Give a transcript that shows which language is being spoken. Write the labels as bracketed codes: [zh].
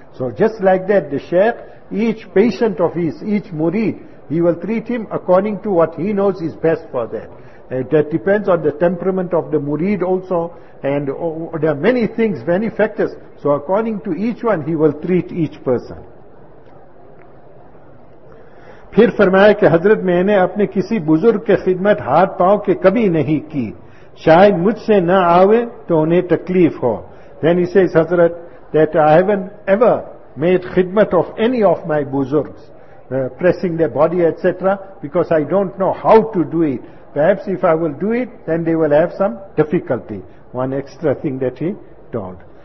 [en] So just like that, the sheikh, each patient of his, each murid, he will treat him according to what he knows is best for them. That depends on the temperament of the murid also, and there are many things, many factors. So according to each one, he will treat each person. [ur] پھر فرمایا کہ حضرت میں نے اپنے کسی بزرگ کے خدمت ہاتھ پاؤں کے کبھی نہیں کی, شاید مجھ سے نہ آوے تو انہیں تکلیف ہو. [en] Then he says, حضرت, that I haven't ever made خدمت of any of my buzurgs, pressing their body, etc., because I don't know how to do it. Perhaps if I will do it, then they will have some difficulty. One extra thing that he God.